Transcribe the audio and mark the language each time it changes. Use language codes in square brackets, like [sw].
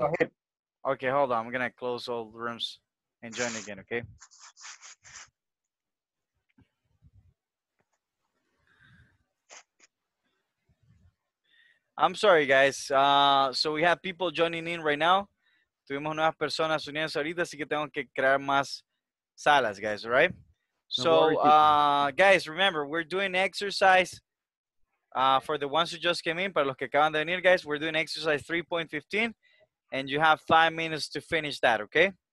[en] Okay, hold on. I'm going to close all the rooms and join again, okay? I'm sorry, guys. So we have people joining in right now. [es] Tuvimos nuevas personas uniéndose ahorita, así que tengo que crear más salas, guys, right? [en] So, guys, remember, we're doing exercise for the ones who just came in. [es] Para los que acaban de venir, [en] guys, we're doing exercise 3.15, and you have 5 minutes to finish that, okay?